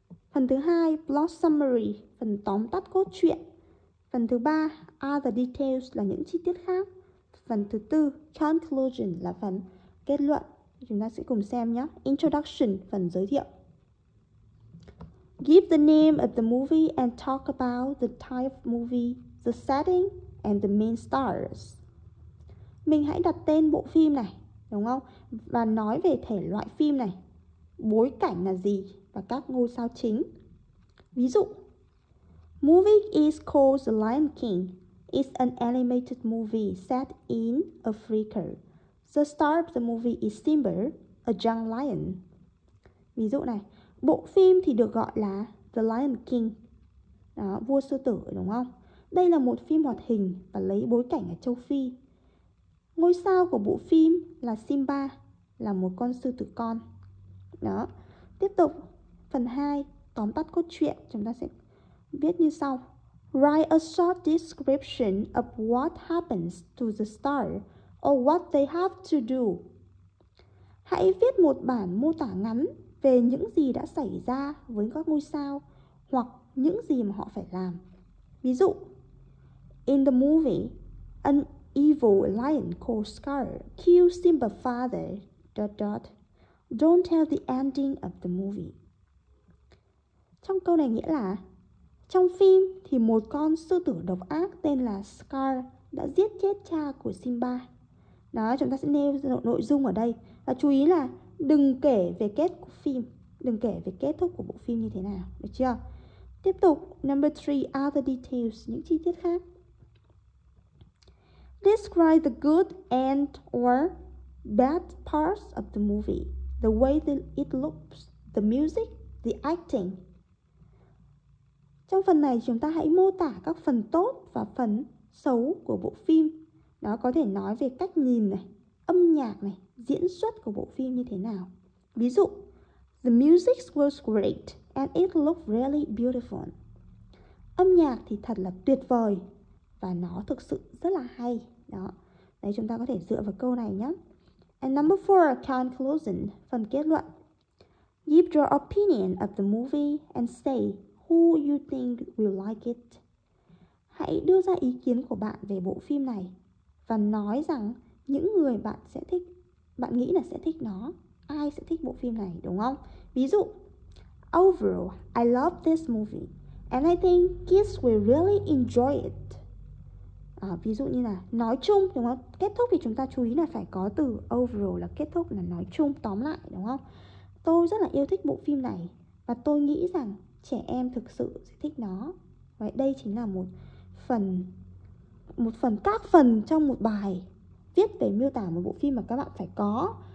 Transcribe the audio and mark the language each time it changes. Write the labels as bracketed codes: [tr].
[vi] Phần thứ hai, [en] plot summary, [vi] phần tóm tắt cốt truyện. Phần thứ ba, [en] other details, [vi] là những chi tiết khác. Phần thứ tư, conclusion, là phần kết luận. Chúng ta sẽ cùng xem nhé. Introduction, phần giới thiệu. [en] Give the name of the movie and talk about the type of movie, the setting and the main stars. [vi] Mình hãy đặt tên bộ phim này, đúng không? Và nói về thể loại phim này, bối cảnh là gì và các ngôi sao chính. Ví dụ, [en] movie is called The Lion King. It's an animated movie set in Africa. The star of the movie is Simba, a young lion. [vi] Ví dụ này, bộ phim thì được gọi là The Lion King. Đó, vua sư tử, đúng không? Đây là một phim hoạt hình và lấy bối cảnh ở châu Phi. Ngôi sao của bộ phim là Simba, là một con sư tử con. Đó, tiếp tục phần 2, tóm tắt cốt truyện, chúng ta sẽ viết như sau. [en] Write a short description of what happens to the star or what they have to do. [vi] Hãy viết một bản mô tả ngắn về những gì đã xảy ra với các ngôi sao hoặc những gì mà họ phải làm. Ví dụ, [en] in the movie, an evil lion called Scar kills Simba's father. Don't tell the ending of the movie. [vi] Trong câu này nghĩa là trong phim thì một con sư tử độc ác tên là Scar đã giết chết cha của Simba. Đó, chúng ta sẽ nêu nội dung ở đây. Và chú ý là đừng kể về kết của phim, đừng kể về kết thúc của bộ phim như thế nào, được chưa? Tiếp tục, [en] number 3, other details, [vi] những chi tiết khác. [en] Describe the good and or bad parts of the movie, the way that it looks, the music, the acting. [vi] Trong phần này chúng ta hãy mô tả các phần tốt và phần xấu của bộ phim. Nó có thể nói về cách nhìn này, âm nhạc này, diễn xuất của bộ phim như thế nào. Ví dụ, [en] the music was great and it looked really beautiful. [vi] Âm nhạc thì thật là tuyệt vời và nó thực sự rất là hay. Đó, đấy chúng ta có thể dựa vào câu này nhé. [en] And number 4, conclusion, [vi] phần kết luận. [en] Give your opinion of the movie and say who you think will like it. [vi] Hãy đưa ra ý kiến của bạn về bộ phim này và nói rằng những người bạn sẽ thích, bạn nghĩ là sẽ thích nó, ai sẽ thích bộ phim này, đúng không? Ví dụ, [en] overall, I love this movie and I think kids will really enjoy it. [vi] À, ví dụ như là nói chung, đúng không? Kết thúc thì chúng ta chú ý là phải có từ overall là kết thúc, là nói chung, tóm lại, đúng không? Tôi rất là yêu thích bộ phim này và tôi nghĩ rằng trẻ em thực sự sẽ thích nó. Vậy đây chính là một phần các phần trong một bài viết về miêu tả một bộ phim mà các bạn phải có.